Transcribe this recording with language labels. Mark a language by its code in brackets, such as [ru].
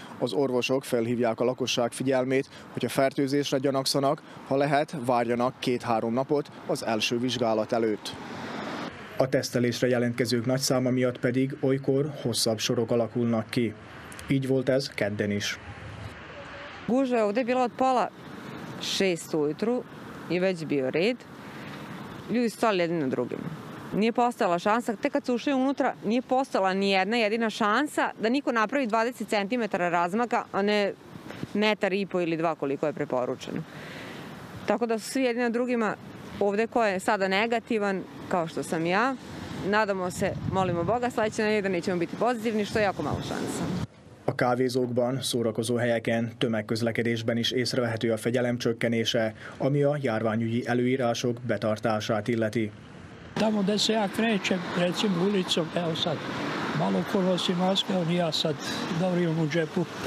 [hu] Az orvosok felhívják a lakosság figyelmét, hogy a fertőzésre gyanakszanak, ha lehet, várjanak 2-3 napot az első vizsgálat előtt. A tesztelésre jelentkezők nagy száma miatt pedig olykor hosszabb sorok alakulnak ki. Így volt ez kedden is. [sr] Gužva ovde bila od pola šest ujutru i već bio red. Ljudi stali jedni na drugima. Nije postala šansa, tek kad su ušli unutra, nije postala ni jedna jedina šansa da niko napravi 20 cm razmaka, a ne metar i po ili dva koliko je preporučeno. Tako da su svi jedni na drugima, ovde ko je sada negativan, kao što sam ja, nadamo se, molimo Boga, sledeće nedelje da nećemo biti pozitivni, što je jako malo šansa. [hu] A kávézókban, szórakozó helyeken, tömegközlekedésben is észrevehető a fegyelem csökkenése, ami a járványügyi előírások betartását illeti. [sr] Tamo de se ja krećem, recimo ulicom, evo sad, malo ko nosi maske, on i ja sad, dobro imam u džepu.